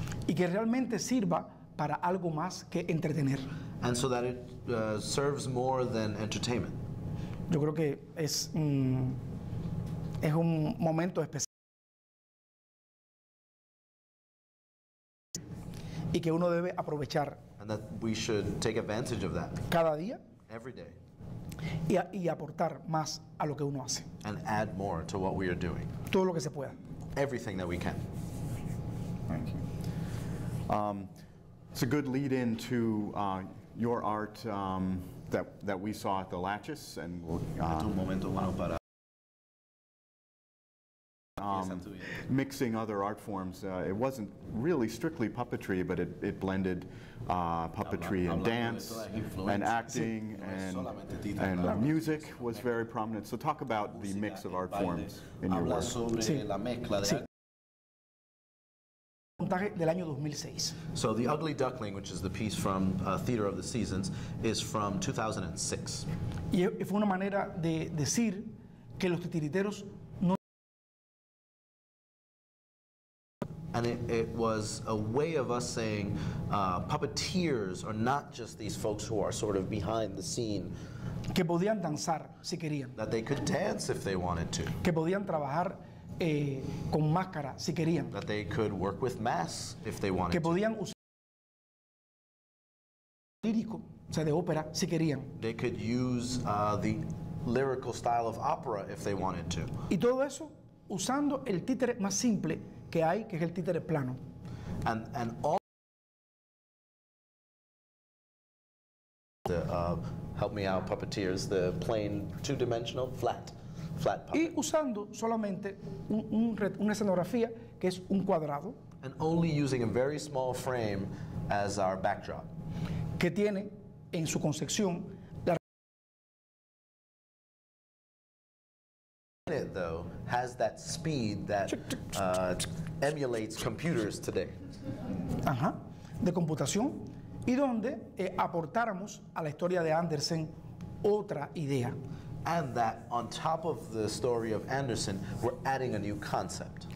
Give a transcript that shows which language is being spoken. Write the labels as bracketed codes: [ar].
[es] Y que realmente sirva para algo más que entretener. [en] And so that it serves more than entertainment. [es] Yo creo que es es un momento especial. Y que uno debe aprovechar. [en] And that we should take advantage of that. [es] Cada día. [en] Every day. [es] Y aportar más a lo que uno hace. [en] And add more to what we are doing. [es] Todo lo que se pueda. [en] Everything that we can. Thank you. It's a good lead in to your art that we saw at the Lattice, and we'll mixing other art forms. It wasn't really strictly puppetry, but it blended puppetry and dance and acting and music was very prominent. So talk about the mix of art forms in your work. [es] Del año 2006. [en] So the Ugly Duckling, which is the piece from Theater of the Seasons, is from 2006. [es] Y fue una manera de decir que los titiriteros no. [en] And it was a way of us saying puppeteers are not just these folks who are sort of behind the scene. [es] Que podían danzar si querían. [en] That they could dance if they wanted to. [es] Que podían trabajar. Con máscara, si querían. [en] That they could work with masks if they wanted [es] to. Que podían usar lírico, o sea, de ópera, si querían. [en] They could use the lyrical style of opera if they wanted to. [es] Y todo eso usando el títere más simple que hay, que es el títere plano. [en] And all the, help me out, puppeteers, the plain two-dimensional flat. [es] Y usando solamente una escenografía que es un cuadrado. [en] And only using a very small frame as our backdrop. [es] Que tiene en su concepción la. [en] In it, though, has that speed that emulates computers today. [es] Ajá, de computación. Y donde aportáramos a la historia de Andersen otra idea. [en] And that on top of the story of Anderson, we're adding a new concept.